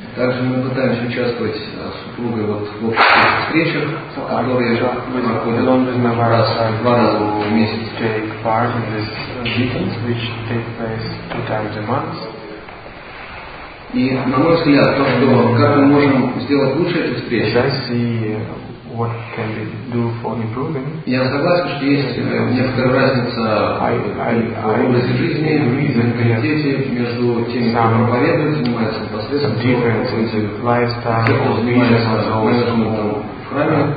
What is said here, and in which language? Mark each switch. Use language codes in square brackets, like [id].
[ru] Также мы пытаемся участвовать с супругой вот в общих встречах, которые проходят два раза в месяц. [en] Take part in these meetings, which take place two times a month. [ru] И на мой взгляд, то, что как мы можем сделать лучше эту встречу. [en] What can we do for improving? [ru] Я согласен, что есть некоторая разница в области жизни, в менталитете между теми, кто проповедует, занимается непосредственно